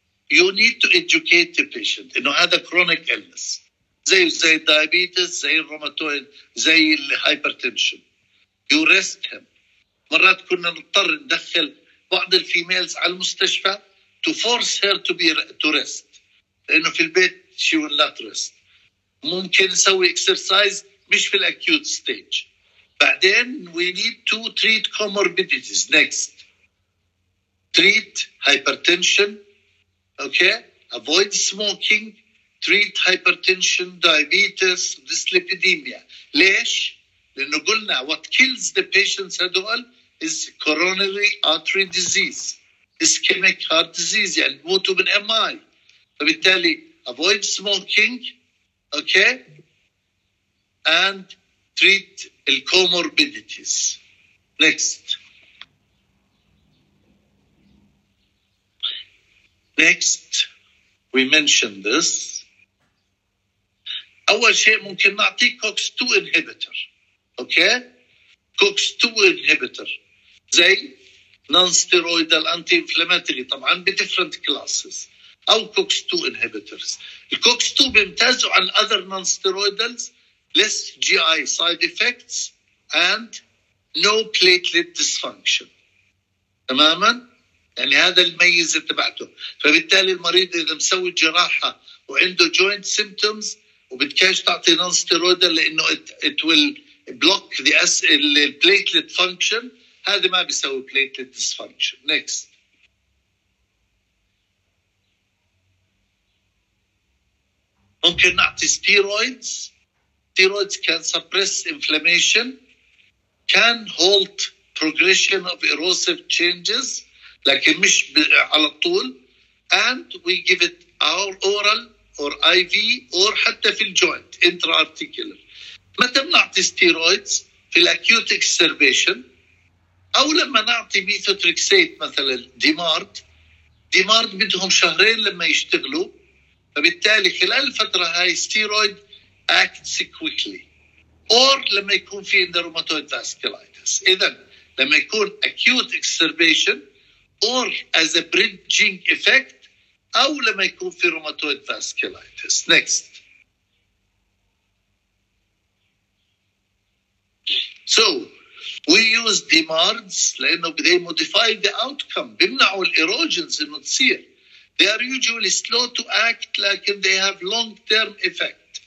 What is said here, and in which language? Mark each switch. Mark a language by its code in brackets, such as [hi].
[en] You need to educate the patient [ar] إنه هذا [en] chronic illness. [ar] زي diabetes, زي rheumatoid, زي hypertension. [en] You rest him. [ar] مرات كنا نضطر ندخل بعض الفيميلز على المستشفى [en] to force her to be to rest. [ar] لأنه في البيت [en] she will not rest. [ar] ممكن نسوي exercise مش في الأكيوت ستيج. بعدين [en] we need to treat comorbidities. Next. Treat hypertension. Okay. Avoid smoking. Treat hypertension, diabetes, dyslipidemia. [ar] ليش؟ لأنه قلنا [en] what kills the patients [ar] هدول [en] is coronary artery disease. Ischemic heart disease. [ar] يعني موتوا من MI. [en] فبالتالي avoid smoking. Okay. And treat the comorbidities. Next, we mentioned this. [ar] أول شيء ممكن نعطي COX-2 inhibitor. Okay? [en] COX-2 inhibitor. زي non-steroidal anti-inflammatory. [ar] طبعاً بdifferent classes. [en] أو COX-2 inhibitors. COX-2 [ar] بيمتازوا عن [en] other non-steroidals. Less GI side effects and no platelet dysfunction. [ar] تماماً؟ يعني هذا الميزة تبعته. فبالتالي المريض إذا مسوي جراحة وعنده joint symptoms وبتكاش تعطي non-steroidal لأنه [en] it will block the platelet function, [ar] هذا ما بيسوي platelet dysfunction. Next. ممكن نعطي steroids. [en] Steroids can suppress inflammation, can halt progression of erosive changes, [ar] لكن مش على طول, [en] and we give it our oral or IV or حتى في الجوينت intra-articular. [ar] متى بنعطي steroids في acute exacerbation أو لما نعطي methotrexate مثلا ديمارد بدهم شهرين لما يشتغلوا, فبالتالي خلال الفترة هاي [en] steroid acts quickly, [ar] or لما يكون في عند روماتويد فاسكولايتس. إذا لما يكون acute exacerbation [en] or as a bridging effect [ar] أو لما يكون في روماتويد فاسكولايتس. [en] Next. So we use DMARDs لأنه they modify the outcome, [ar] بمنعوا الإيروجنز إنه تصير. [en] They are usually slow to act [ar] لكن [en] they have long term effect.